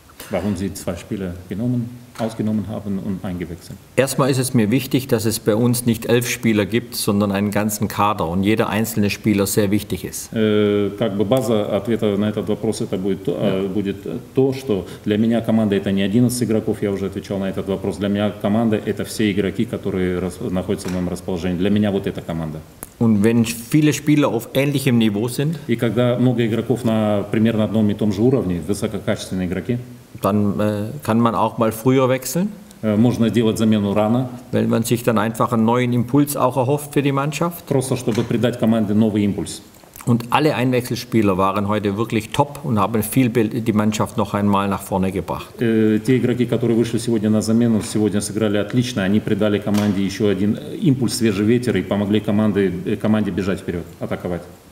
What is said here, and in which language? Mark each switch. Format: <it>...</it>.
<de>Warum Sie zwei Spiele genommen, ausgenommen haben und eingewechselt? Erstmal ist es mir wichtig, dass es bei uns nicht 11 Spieler gibt, sondern einen ganzen Kader und jeder einzelne Spieler sehr wichtig ist.</de> <ru>Как бы база ответа на этот вопрос это будет, будет то, что для меня команда это не 11 игроков, я уже отвечал на этот вопрос. Для меня команда это все игроки, которые находятся в моем расположении. Для меня вот эта команда.</ru> <de>Und wenn viele Spieler auf ähnlichem Niveau sind,</de> <ru>и когда много игроков на примерно одном и том же уровне, высококачественные игроки,</ru> <de>dann kann man auch mal früher wechseln.</de> <ru>Можно делать замену рано.</ru> <de>Weil man sich dann einfach einen neuen Impuls auch erhofft für die Mannschaft.</de> <ru>Просто чтобы придать команде новый импульс.</ru> <de>Und alle Einwechselspieler waren heute wirklich top und haben viel die Mannschaft noch einmal nach vorne gebracht.</de> <ru>Те игроки, которые вышли сегодня на замену, сегодня сыграли отлично. Они придали команде еще один импульс, свежий ветер и помогли команде бежать вперед, атаковать.</ru>